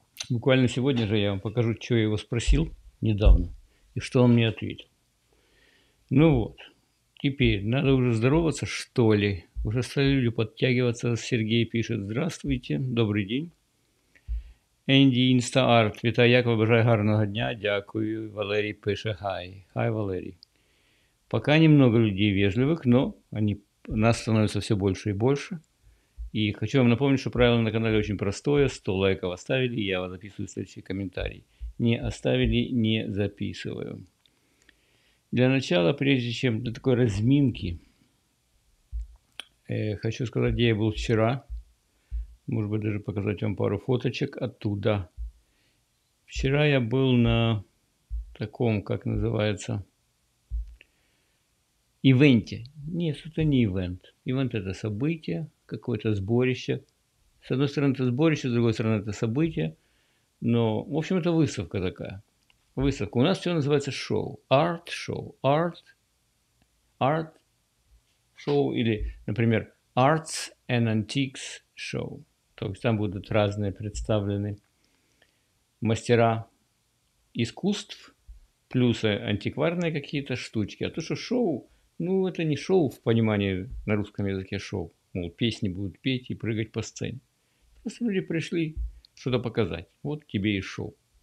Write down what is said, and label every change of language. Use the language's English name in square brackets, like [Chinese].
[Russian] Буквально сегодня же я вам покажу, что я его спросил недавно, и что он мне ответил. Ну вот, теперь надо уже здороваться, что ли. Уже стали люди подтягиваться. Сергей пишет: здравствуйте, добрый день. [Ukrainian] Энди Инстаарт, вітаю, як вибажаю гарного дня, дякую, Валерій пише, хай, хай, Валерій. [Russian] Пока немного людей вежливых, но они, нас становится все больше и больше. И хочу вам напомнить, что правило на канале очень простое, 100 лайков оставили, я вам записываю следующий комментарий. Не оставили, не записываю. Для начала, прежде чем для такой разминки, хочу сказать, где я был вчера. Может быть, даже показать вам пару фоточек оттуда. Вчера я был на таком, как называется, ивенте. Нет, это не ивент. Ивент – это событие, какое-то сборище. С одной стороны, это сборище, с другой стороны, это событие. Но, в общем, это выставка такая. Выставка. У нас все называется шоу. Арт-шоу. Арт-шоу. Или, например, Arts and Antiques Show. То есть там будут разные представлены мастера искусств, плюс антикварные какие-то штучки. А то, что шоу, ну, это не шоу в понимании на русском языке шоу. Мол, песни будут петь и прыгать по сцене. Просто люди пришли что-то показать. Вот тебе и шоу.